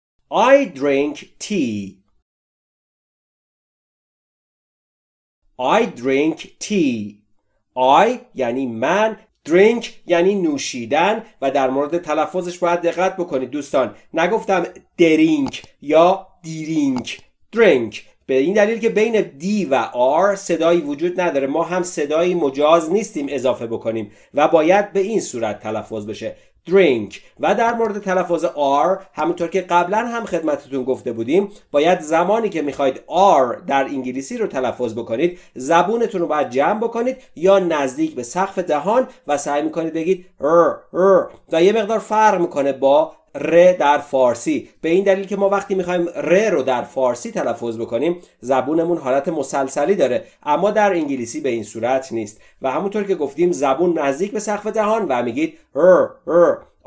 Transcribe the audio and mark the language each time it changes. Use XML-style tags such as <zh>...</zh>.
<en>I drink tea. I drink tea. I</en> <fa>یعنی من. Drink یعنی نوشیدن و در مورد تلفظش باید دقت بکنید دوستان. نگفتم drink یا drink.</fa> <en>Drink.</en> <fa>به این دلیل که بین D و R صدایی وجود نداره. ما هم صدایی مجاز نیستیم اضافه بکنیم و باید به این صورت تلفظ بشه.</fa> <en>Drink.</en> <fa>و در مورد تلفظ R همونطور که قبلا هم خدمتتون گفته بودیم باید زمانی که میخواید R در انگلیسی رو تلفظ بکنید زبونتون رو باید جمع بکنید یا نزدیک به سقف دهان و سعی میکنید بگید R و یه مقدار فرق میکنه با ر در فارسی به این دلیل که ما وقتی میخوایم ر رو در فارسی تلفظ بکنیم زبونمون حالت مسلسلی داره اما در انگلیسی به این صورت نیست و همونطور که گفتیم زبون نزدیک به سقف دهان و میگید ر</fa>